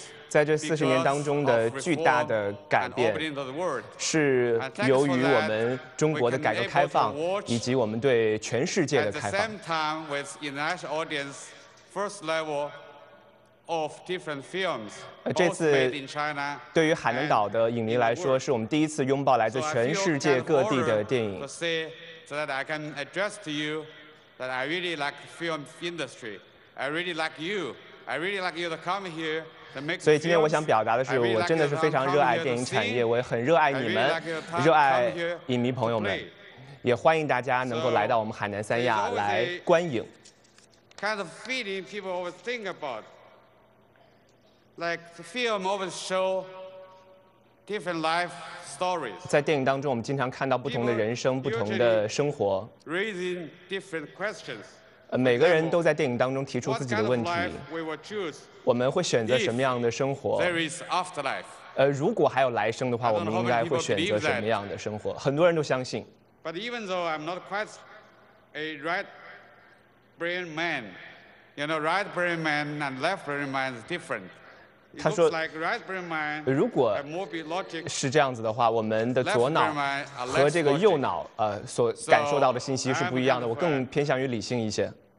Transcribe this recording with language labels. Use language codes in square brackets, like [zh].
[zh] 在这40年当中的巨大的改变，是由于我们中国的改革开放以及我们对全世界的开放。 [en] Of different films, [zh] 这次对于海南岛的影迷来说，是我们第一次拥抱来自全世界各地的电影。 [en] So that I can address to you that I really like film industry. I really like you. I really like you to come here to make. [zh] 所以今天我想表达的是，我真的是非常热爱电影产业，我也很热爱你们，热爱影迷朋友们，也欢迎大家能够来到我们海南三亚来观影。 [en] Kind of feeling people always think about. Like the film always show different life stories. [zh] 在电影当中，我们经常看到不同的人生、不同的生活。 [en] Raising different questions. [zh] 每个人都在电影当中提出自己的问题。我们会选择什么样的生活？ [en] There is afterlife. [zh] 如果还有来生的话，我们应该会选择什么样的生活？很多人都相信。 [en] But even though I'm not quite a right brain man, you know, right brain man and left brain man is different. [zh] 他说如果是这样子的话，我们的左脑和这个右脑所感受到的信息是不一样的，我更偏向于理性一些。